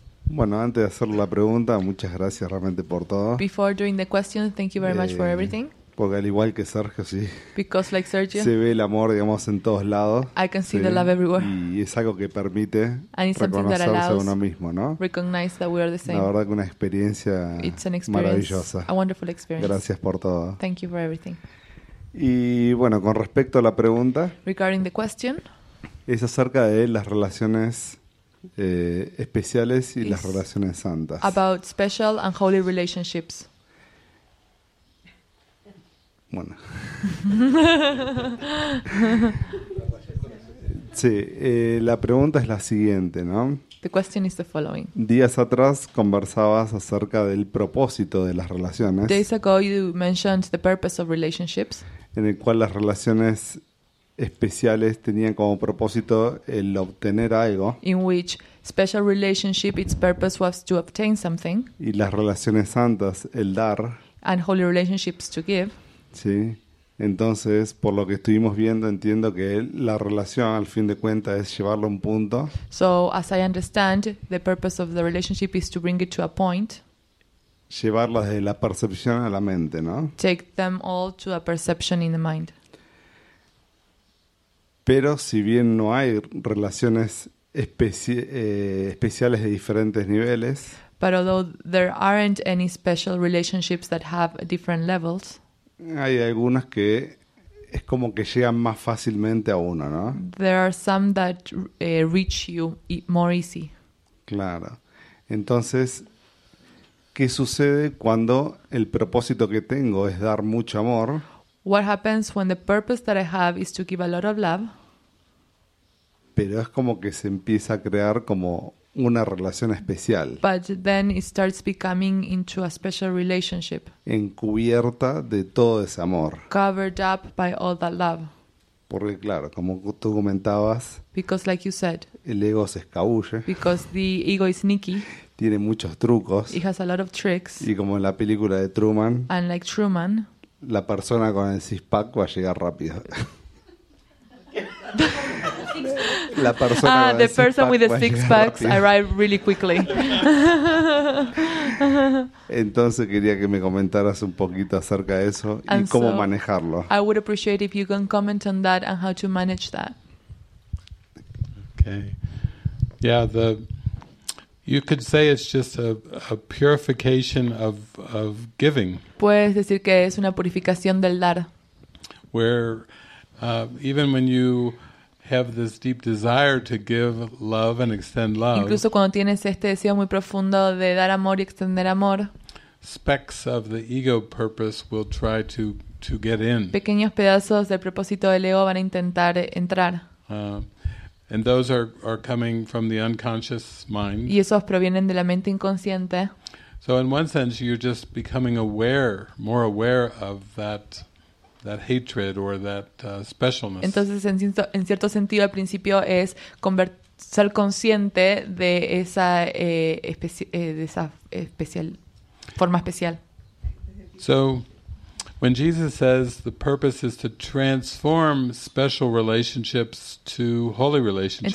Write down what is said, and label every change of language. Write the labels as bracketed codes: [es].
[es] Bueno, antes de hacer la pregunta, muchas gracias realmente por todo. [en] Before doing the question, thank you very much for everything. [es] Porque al igual que Sergio, sí. [en] Because like Sergio. [es] Se ve el amor, digamos, en todos lados. [en] I can see the love everywhere. [es] Y es algo que permite reconocerse a uno mismo, ¿no? [en] Recognize that we are the same. [es] La verdad que una experiencia, [en] it's an experience, [es] maravillosa. [en] A wonderful experience. [es] Gracias por todo. [en] Thank you for everything. [es] Y bueno, con respecto a la pregunta. [en] Regarding the question. [es] Es acerca de las relaciones especiales y las relaciones santas. [en] About special and holy relationships. [es] Bueno. Sí, la pregunta es la siguiente, ¿no? [en] The question is the following. [es] Días atrás conversabas acerca del propósito de las relaciones. [en] Days ago you mentioned the purpose of relationships. [es] En el cual las relaciones especiales tenían como propósito el obtener algo. [en] In which special relationship its purpose was to obtain something. [es] Y las relaciones santas el dar. [en] And holy relationships to give. [es] Sí, entonces por lo que estuvimos viendo entiendo que la relación al fin de cuentas es llevarlo a un punto. [en] So as I understand, the purpose of the relationship is to bring it to a point. [es] Llevarla desde la percepción a la mente, ¿no? [en] Take them all to a perception in the mind. [es] Pero si bien no hay relaciones especiales de diferentes niveles. [en] But although there aren't any special relationships that have different levels. [es] Hay algunas que es como que llegan más fácilmente a uno, ¿no? [en] There are some that reach you more easy. [es] Claro. Entonces, ¿qué sucede cuando el propósito que tengo es dar mucho amor? [en] What happens when the purpose that I have is to give a lot of love? [es] Pero es como que se empieza a crear como una relación especial. [en] But then it starts becoming into a special relationship. [es] Encubierta de todo ese amor. [en] Covered up by all that love. [es] Porque claro, como tú comentabas. [en] Because like you said. [es] El ego se escabulle. [en] Because the ego is sneaky. [es] Tiene muchos trucos. [en] It has a lot of tricks. [es] Y como en la película de Truman. [en] And like Truman. [es] La persona con el six pack va a llegar rápido. La persona [en] ah, the person with the six packs arrived really quickly. [es] Entonces quería que me comentaras un poquito acerca de eso [en] and [es] y cómo [en] so, [es] manejarlo. [en] I would appreciate if you can comment on that and how to manage that. Okay. Yeah, the you could say it's just a purification of giving. [es] Puedes decir que es una purificación del dar. [en] Where even when you have this deep desire to give love and extend love. [es] Incluso cuando tienes este deseo muy profundo de dar amor y extender amor. [en] Specks of the ego purpose will try to get in. [es] Pequeños pedazos del propósito del ego van a intentar entrar. [en] And those are coming from the unconscious mind. [es] Y esos provienen de la mente inconsciente. [en] So in one sense you're just becoming aware, more aware of that that hatred or that specialness. [es] Entonces, en cierto sentido, al principio es ser consciente de esa forma especial. [en] So, when Jesus says the purpose is to transform special relationships to holy relationships.